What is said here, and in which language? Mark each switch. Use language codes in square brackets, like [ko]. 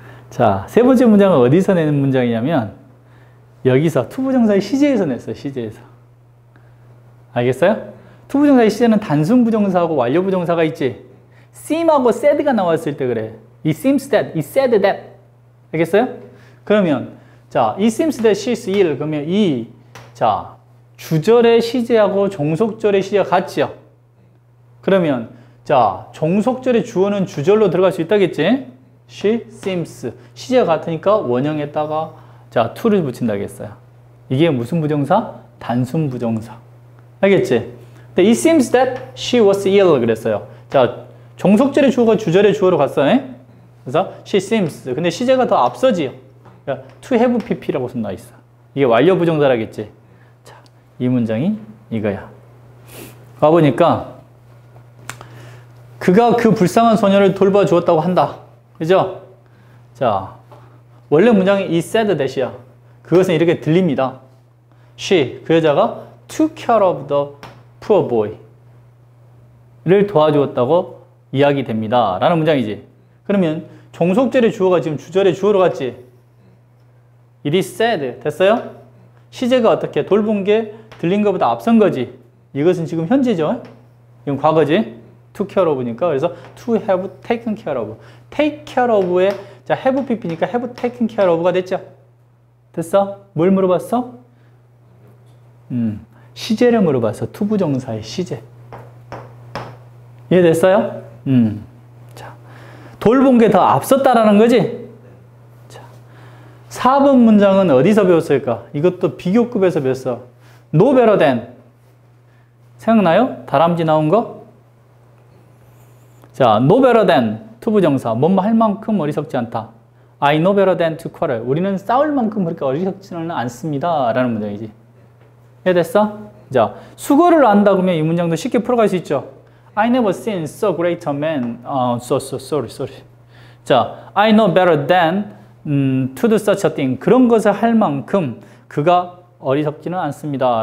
[ko] 자, 세 번째 문장은 어디서 내는 문장이냐면 여기서 투부정사의 시제에서 냈어요. 시제에서. 알겠어요? 투부정사의 시제는 단순 부정사하고 완료 부정사가 있지. seem하고 said가 나왔을 때 그래. [en] It seems that, it said that. [ko] 알겠어요? [en] 그러면 자, it seems that she's ill. [ko] 그러면 이 자, 주절의 시제하고 종속절의 시제가 같지요. 그러면 자, 종속절의 주어는 주절로 들어갈 수 있다겠지? [en] She seems. [ko] 시제가 같으니까 원형에다가 자, to를 붙인다겠어요. 이게 무슨 부정사? 단순 부정사. 알겠지? [en] The, it seems that she was ill [ko] 그랬어요. 자, 종속절의 주어가 주절의 주어로 갔어요. 그래서 [en] she seems. [ko] 근데 시제가 더 앞서지요. 그러니까 to have pp라고 쓴 나 있어. 이게 완료 부정사라겠지? 자, 이 문장이 이거야. 봐보니까 그가 그 불쌍한 소녀를 돌봐주었다고 한다. 그죠? 자, 원래 문장이 [en] it said that [ko] 이야. 그것은 이렇게 들립니다. She, 그 여자가 [en] took care of the poor boy [ko] 를 도와주었다고 이야기 됩니다. 라는 문장이지. 그러면 종속절의 주어가 지금 주절의 주어로 갔지? [en] It is said. 됐어요? [ko] 시제가 어떻게 돌본 게 들린 것보다 앞선 거지. 이것은 지금 현재죠? 이건 과거지? [en] took care of니까 [ko] 그래서 [en] to have taken care of take care of에 자 have pp니까 have taken care of가 됐죠? [ko] 됐어? 뭘 물어봤어? 시제를 물어봤어. 투부정사의 시제. 이해됐어요? 자, 돌본 게 더 앞섰다라는 거지? 자, 4번 문장은 어디서 배웠을까? 이것도 비교급에서 배웠어. [en] no better than [ko] 생각나요? 다람쥐 나온 거? [en] 자, no better than, [ko] 투부정사. 뭔 말 할 만큼 어리석지 않다. [en] I know better than to quarrel. [ko] 우리는 싸울 만큼 그렇게 어리석지는 않습니다. 라는 문장이지. 이해됐어? 자, 수거를 안다 그러면 이 문장도 쉽게 풀어갈 수 있죠. [en] I never seen so great a man. Sorry. 자, I know better than to do such a thing. [ko] 그런 것을 할 만큼 그가 어리석지는 않습니다.